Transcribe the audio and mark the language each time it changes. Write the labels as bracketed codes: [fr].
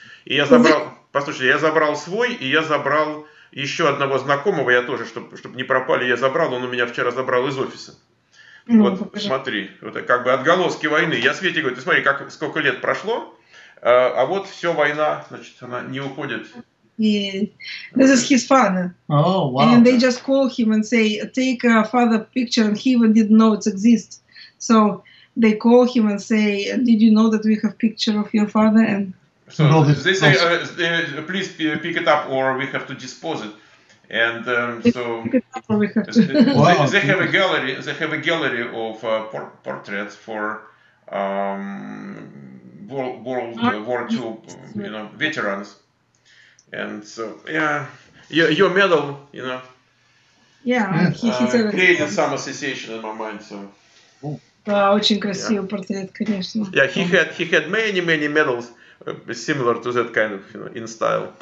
[ru] И я забрал, послушайте, я забрал свой, и я забрал еще одного знакомого, я тоже, чтобы не пропали, я забрал, он у меня вчера забрал из офиса. Вот, смотри, вот как бы отголоски войны. Я Свете говорю, ты смотри, как, сколько лет прошло, а вот все, война, значит, она не уходит. [en] Yeah. This is his father. Oh, wow. And they just call him and say, take a father picture, and he even didn't know it exists. So they call him and say, did you know that we have picture of your father? And so they say, please pick it up or we have to dispose it. And so they have a gallery of portraits for World War II, you know, veterans. And so yeah, your medal, you know. Yeah, he created some association in my mind, so. [ru] Да, очень красивый портрет, конечно. [en] Yeah, he had many medals similar to that kind of, you know, in style.